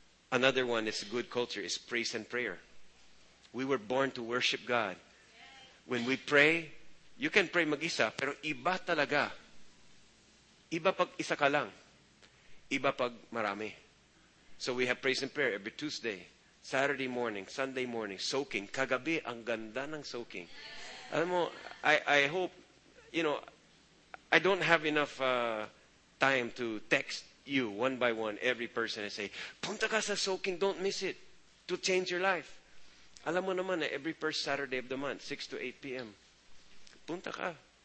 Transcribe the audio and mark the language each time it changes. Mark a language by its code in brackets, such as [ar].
[en] Another one is a good culture is praise and prayer. We were born to worship God. When we pray, you can pray [tl] mag-isa, pero iba talaga. Iba pag isa ka lang. [en] Iba pag marami. So we have praise and prayer every Tuesday, Saturday morning, Sunday morning, soaking. [tl] Kagabi, ang ganda ng soaking. [en] Alam mo, I hope, you know, I don't have enough time to text you one by one, every person, and say, [tl] punta ka sa soaking, [en] don't miss it, to change your life. [tl] Alam mo naman na [en] every first Saturday of the month, 6 to 8 p.m., punta ka.